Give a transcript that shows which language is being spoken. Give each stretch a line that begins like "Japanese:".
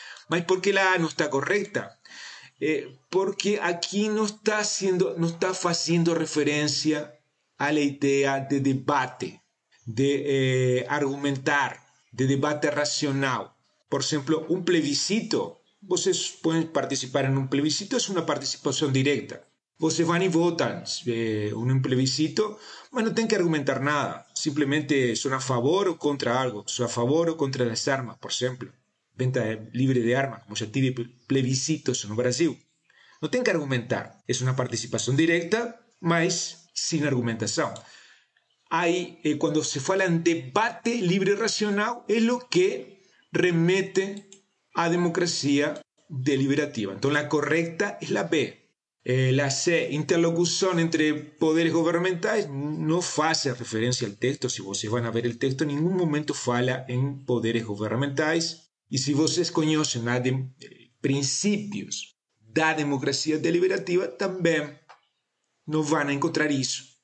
Spanish: ¿Mas por qué la A no está correcta? Porque aquí no está haciendo referencia a la idea de debate, de argumentar, de debate racional. Por ejemplo, un plebiscito.
Portuguese: Vocês podem participar em um plebiscito, é uma participação direta. Vocês vão e votam em um plebiscito, mas não tem que argumentar nada. Simplesmente são a favor ou contra algo. São a favor ou contra as armas, por exemplo. Venda livre de armas, como já tive plebiscitos no Brasil. Não tem que argumentar. É uma participação direta, mas sem argumentação. Aí, quando se fala em debate livre e racional, é o que remete a democracia deliberativa.
Spanish: Entonces la correcta es la B. La C, interlocución entre poderes gubernamentales, no hace referencia al texto. Si ustedes van a ver el texto, en ningún momento fala en poderes gubernamentales. Y si ustedes conocen los principios de la democracia deliberativa, también no van a encontrar eso.